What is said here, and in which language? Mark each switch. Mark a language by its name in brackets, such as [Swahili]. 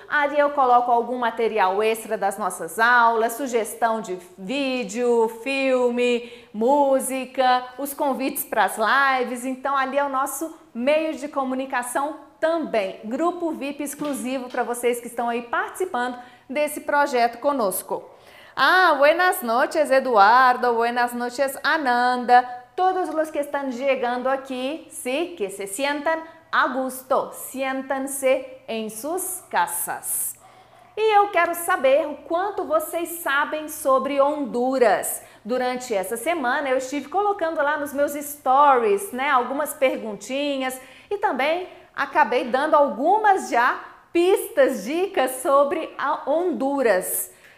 [Portuguese] Ali eu coloco algum material extra das nossas aulas, sugestão de vídeo, filme, música, os convites para as lives. Então ali é o nosso meio de comunicação também, grupo VIP exclusivo para vocês que estão aí participando desse projeto conosco. [Spanish] Ah, buenas noches, Eduardo, buenas noches, Ananda, todos los que están llegando aquí, sí, que se sientan a gusto, siéntanse en sus casas. [Portuguese] E eu quero saber o quanto vocês sabem sobre Honduras. Durante essa semana eu estive colocando lá nos meus stories, né, algumas perguntinhas e também acabei dando algumas já pistas, dicas sobre a Honduras.